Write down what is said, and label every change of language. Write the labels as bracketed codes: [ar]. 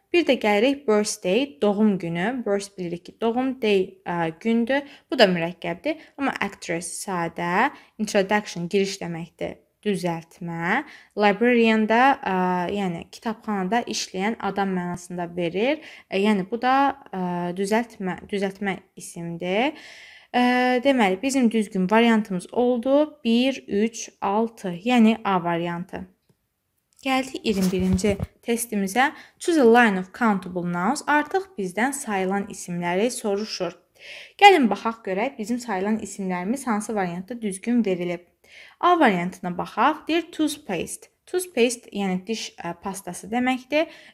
[az] Bir də gəlirik birthday, doğum günü. Birth bilirik ki, doğum day gündür. Bu da mürəkkəbdir. Amma actress sadə, introduction giriş deməkdir, düzəltmə. Librarian da, yəni kitabxanada işləyən adam mənasında verir. Yəni bu da düzəltmə isimdir. Deməli, bizim düzgün variantımız oldu 1, 3, 6, yəni A variantı. [en] Gəldik 21-ci testimizə. Choose a line of countable nouns. [az] Artıq bizdən sayılan isimləri soruşur. Gəlin, baxaq görək, bizim sayılan isimlərimiz hansı variantda düzgün verilib. A variantına baxaq. Dear toothpaste. Toothpaste, yəni diş pastası deməkdir.